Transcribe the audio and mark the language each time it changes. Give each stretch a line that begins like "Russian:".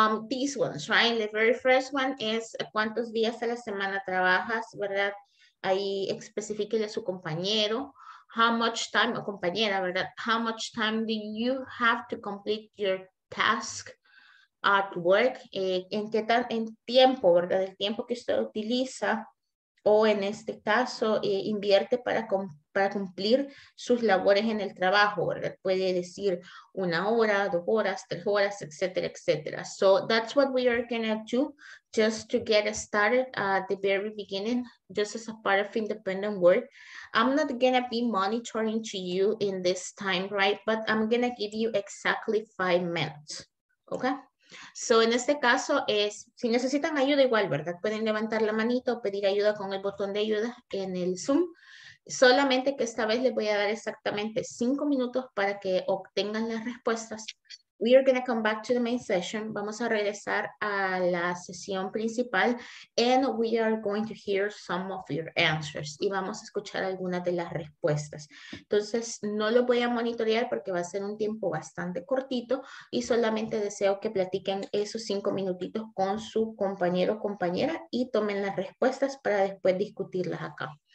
English: These ones, right? The very first one is
Spanish: ¿cuántos días a la semana trabajas, verdad? Ahí específicale a su compañero.
English: How much time,
Spanish: o compañera, verdad?
English: How much time do you have to complete your task at work?
Spanish: ¿En qué tal, en tiempo, verdad? El tiempo que usted utiliza o en este caso invierte para para cumplir sus labores en el trabajo, ¿verdad? Puede decir una hora, dos horas, tres horas, etcétera, etcétera.
English: So that's what we are gonna do just to get started at the very beginning, just as a part of independent work. I'm not gonna be monitoring to you in this time, right? But I'm gonna give you exactly 5 minutes, okay?
Spanish: So en este caso es, si necesitan ayuda igual, ¿verdad? Pueden levantar la manito o pedir ayuda con el botón de ayuda en el Zoom. Solamente que esta vez les voy a dar exactamente 5 minutos para que obtengan las respuestas.
English: We are going to come back to the main session.
Spanish: Vamos a regresar a la sesión principal
English: and we are going to hear some of your answers.
Spanish: Y vamos a escuchar algunas de las respuestas. Entonces, no lo voy a monitorear porque va a ser un tiempo bastante cortito y solamente deseo que platiquen esos 5 minutitos con su compañero o compañera y tomen las respuestas para después discutirlas acá.